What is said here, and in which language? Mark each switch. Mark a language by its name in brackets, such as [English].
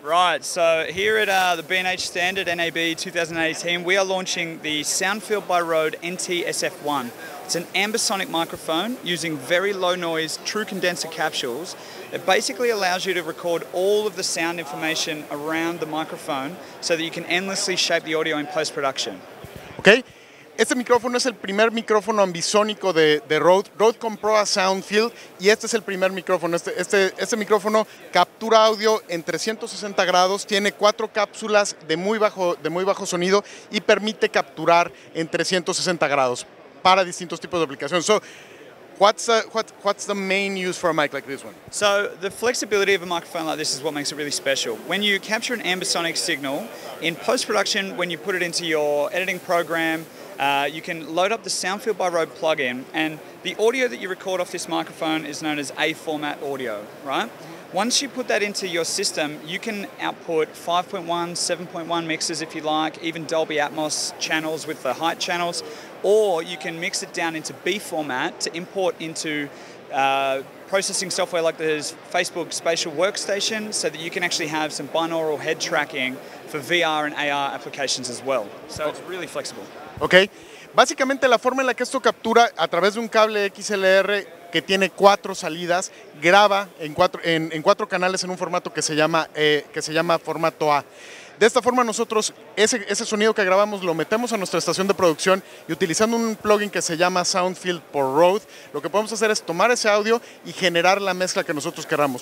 [English] Right, so here at the B&H Standard NAB 2018, we are launching the Soundfield by Rode NT-SF1. It's an ambisonic microphone using very low noise, true condenser capsules. It basically allows you to record all of the sound information around the microphone so that you can endlessly shape the audio in post-production. Okay. [Spanish] Este micrófono es el primer micrófono ambisónico de Rode. Rode compró a Soundfield y este es el primer micrófono. Este micrófono captura audio en 360 grados, tiene cuatro cápsulas de muy bajo sonido y permite capturar en 360 grados para distintos tipos de aplicaciones. [English] So, what's the main use for a mic like this one? So, the flexibility of a microphone like this is what makes it really special. When you capture an ambisonic signal, in post-production, when you put it into your editing program, you can load up the Soundfield by Rode plugin, and the audio that you record off this microphone is known as A-format audio, right? Once you put that into your system, you can output 5.1, 7.1 mixes if you like, even Dolby Atmos channels with the height channels, or you can mix it down into B-format to import into processing software like the Facebook Spatial Workstation so that you can actually have some binaural head tracking for VR and AR applications as well. So it's really flexible. Okay. [Spanish] Básicamente, la forma en la que esto captura a través de un cable XLR que tiene cuatro salidas, graba en cuatro canales en un formato que se llama formato A. De esta forma, nosotros ese sonido que grabamos lo metemos a nuestra estación de producción y utilizando un plugin que se llama Soundfield por Rode, lo que podemos hacer es tomar ese audio y generar la mezcla que nosotros queramos.